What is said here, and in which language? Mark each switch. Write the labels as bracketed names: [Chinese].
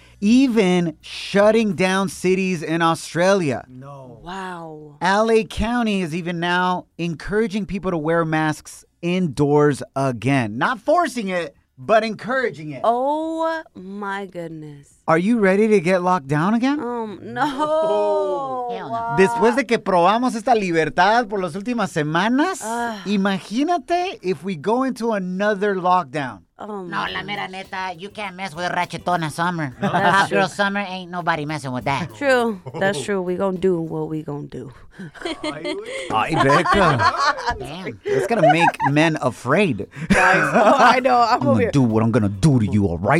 [English] Even shutting down cities in Australia. No. Wow. LA County is even now encouraging people to wear masks indoors again. Not forcing it, but encouraging it. Oh my goodness. Are you ready to get locked down again? No. [Spanish] Después de que probamos esta libertad por las últimas semanas, imagínate [English] if we go into another lockdown. No, [Spanish] la mera neta, [English] you can't mess with a ratchetona summer. No, that's true. Hot girl summer, ain't nobody messing with that. True. That's true. We gonna do what we gonna do. Ay, Becca. Damn. It's gonna make men afraid. Guys, I know. I'm gonna do what I'm gonna do to you, all right?